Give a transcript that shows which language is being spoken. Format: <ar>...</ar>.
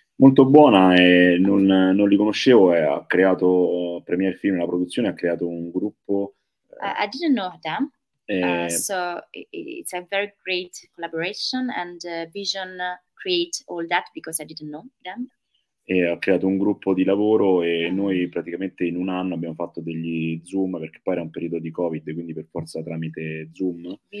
<it>Molto buona, e non li conoscevo, e ha creato Premiere Film, la produzione ha creato un gruppo</it> <en>I didn't know them, so it's a very great collaboration and vision create all that because I didn't know them.</en> <it>E ha creato un gruppo di lavoro e noi praticamente in un anno abbiamo fatto degli Zoom, perché poi era un periodo di Covid, quindi per forza tramite Zoom.</it>